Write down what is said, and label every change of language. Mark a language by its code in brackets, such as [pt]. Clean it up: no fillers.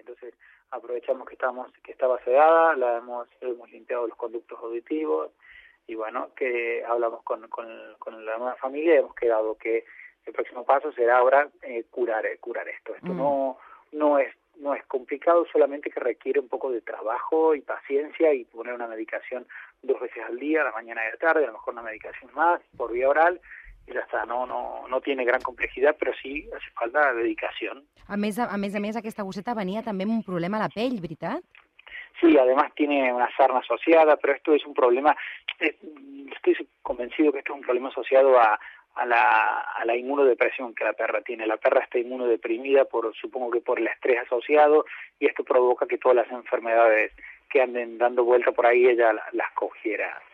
[es] Entonces, aprovechamos que estaba sedada, hemos limpiado los conductos auditivos y, bueno, que hablamos con la familia y hemos quedado que el próximo paso será ahora curar esto. Esto no es complicado, solamente que requiere un poco de trabajo y paciencia y poner una medicación dos veces al día, a la mañana y a la tarde, a lo mejor una medicación más por vía oral [ca] i ja està, [es] no tiene gran [ca] complexitat, però sí [es] hace falta [ca] dedicació. A més, aquesta gosseta venia també amb un problema a la pell, veritat? [es] Sí, además tiene una sarna asociada, pero esto es un problema, estoy convencido que esto es un problema asociado a la inmunodepresión que la perra tiene. La perra está inmunodeprimida, supongo que por el estrés asociado, y esto provoca que todas las enfermedades que anden dando vuelta por ahí ella las cogiera.